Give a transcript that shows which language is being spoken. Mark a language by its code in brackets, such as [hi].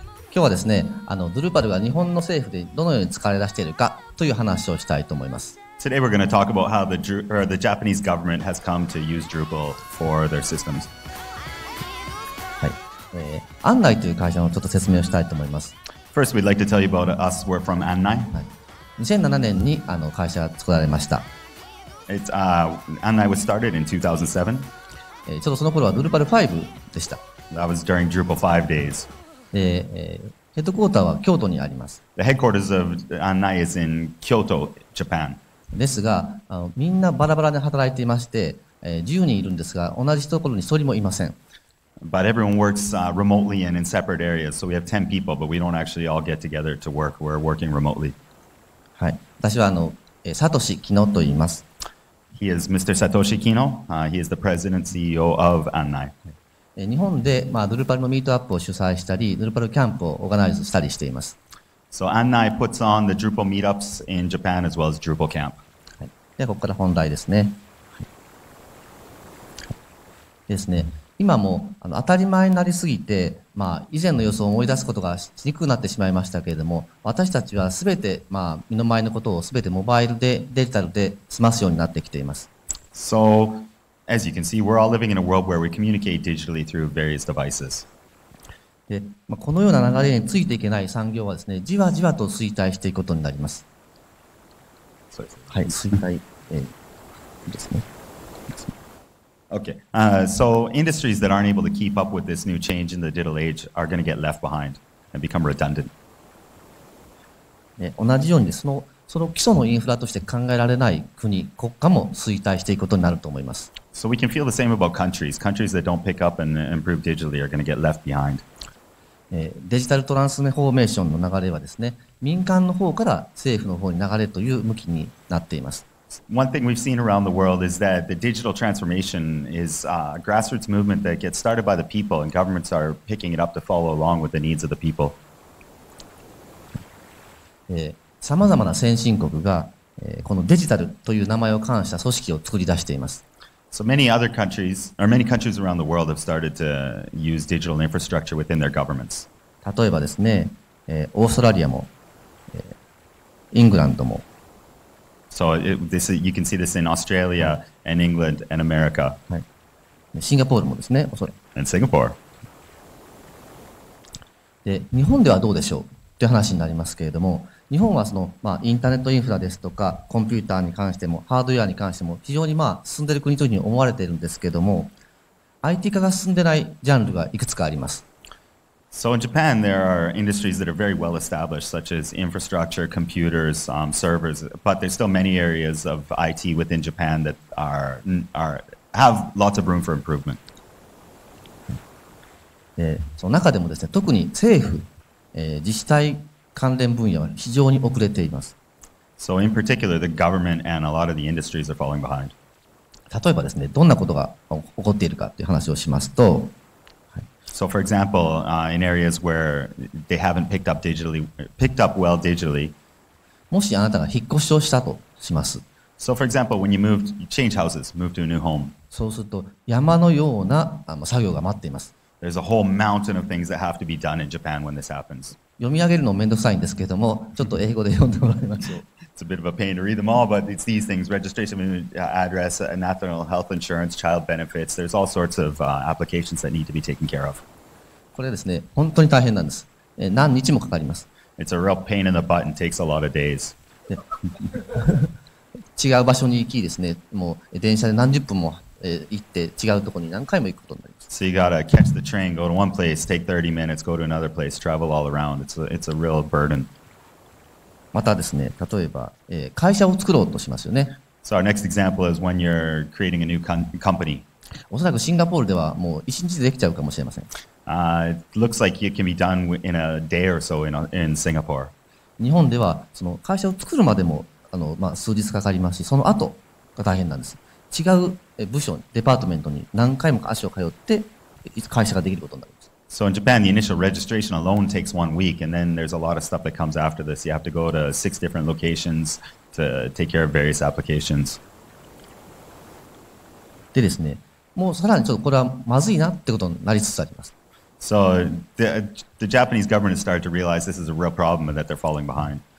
[ja] 今日はですね、ドゥルパルが日本の政府でどのように使われ出しているかという話をしたいと思います。 [en] Today we're going to talk about how the Japanese government has come to use Drupal for their systems. [ja] はい、安内という会社のちょっと説明をしたいと思います。 [en] First, we'd like to tell you about us. We're from 安内。はい、 [ja] 2007年に会社が作られました。 [en] 安内 was started in 2007. [ja] ちょっとその頃はドゥルパル5でした。 [en] That was during Drupal 5 days. [ja] ヘッドクォーターは京都にあります。 [en] The headquarters of Annai is in Kyoto, Japan. [ja] ですが、みんなバラバラで働いていまして、10人いるんですが、同じところに1人もいません。 [en] But everyone works remotely and in separate areas. So we have 10 people, but we don't actually all get together to work. We're working remotely. [ja] はい。私は、サトシ・キノと言います。 [en] He is Mr. Satoshi Kino. He is the president and CEO of Annai. [ja] 日本で、ドゥルパルのミートアップを主催したり、ドゥルパルキャンプをオーガナイズしたりしています。 [en] So Annai puts on the Drupal meetups in Japan as well as Drupal camp.、 [ja] はい、ではここから本題ですね。はい、ですね。今も当たり前になりすぎて、以前の様子を思い出すことがしにくくなってしまいましたけれども、私たちはすべて、身の前のことをすべてモバイルでデジタルで済ますようになってきています。 So, as you can see, we're all living in a world where we communicate digitally through various devices. で、このような流れについていけない産業はですね、じわじわと衰退していくことになります。そうですね。はい、衰退、ですね。 [en] Okay, so industries that aren't able to keep up with this new change in the digital age are going to get left behind and become redundant. [ja] 同じようにその基礎のインフラとして考えられない国、国家も衰退していくことになると思います。 [en] So we can feel the same about countries. Countries that don't pick up and improve digitally are going to get left behind. [ja] デジタルトランスフォーメーションの流れはですね、民間の方から政府の方に流れという向きになっています。 [en] One thing we've seen around the world is that the digital transformation is a grassroots movement that gets started by the people, and governments are picking it up to follow along with the needs of the people. [ja] さまざまな先進国が、このデジタルという名前を冠した組織を作り出しています。 [en] So many other countries, or many countries around the world, have started to use digital infrastructure within their governments. [ja] 例えばですね、オーストラリアも、イングランドも。 [en] So this is, you can see this in Australia and England and America. [ja] シンガポールもですね、おそらく。 [en] And Singapore. [ja] で、日本ではどうでしょうという話になりますけれども、日本はインターネットインフラですとか、コンピューターに関しても、ハードウェアに関しても、非常に進んでいる国というふうに思われているんですけれども、IT 化が進んでないジャンルがいくつかあります。 [en] So in Japan, there are industries that are very well established, such as infrastructure, computers, servers, but there's still many areas of IT within Japan that have lots of room for improvement. [ja] その中でもですね、特に政府、自治体関連分野は非常に遅れています。 [en] So in particular, the government and a lot of the industries are falling behind. [ja] 例えばですね、どんなことが起こっているかという話をしますと、 [en] So for example, in areas where they haven't picked up well digitally. [ja] もしあなたが引っ越しをしたとします。 [en] So for example, when you change houses, move to a new home. [ja] そうすると山のような作業が待っています。 [en] There's a whole mountain of things that have to be done in Japan when this happens. [ja] 読み上げるのめんどくさいんですけれども、ちょっと英語で読んでもらいましょう。 [en] It's a bit of a pain to read them all, but it's these things. Registration, address, national health insurance, child benefits. There's all sorts of applications that need to be taken care of. [ja] これですね、本当に大変なんです。何日もかかります。 [en] It's a real pain in the butt and takes a lot of days. [ja] 違う場所に行きですね、もう電車で何十分も行って違うところに何回も行くことになります。 [en] So you gotta catch the train, go to one place, take 30 minutes, go to another place, travel all around. It's a real burden. [ja] またですね、例えば、会社を作ろうとしますよね。 [en] So our next example is when you're creating a new company. [ja] おそらくシンガポールではもう一日でできちゃうかもしれません。 [en] It looks like it can be done in a day or so in Singapore. [ja] 日本ではその会社を作るまでも数日かかりますし、その後が大変なんです。違う部署、デパートメントに何回も足を通って会社ができることになる。 [en] So in Japan, the initial registration alone takes 1 week, and then there's a lot of stuff that comes after this. You have to go to 6 different locations to take care of various applications. [ja] でですね、もうさらにちょっとこれはまずいなってことになりつつあります。 [en] So the Japanese government started to realize this is a real problem and that they're falling behind.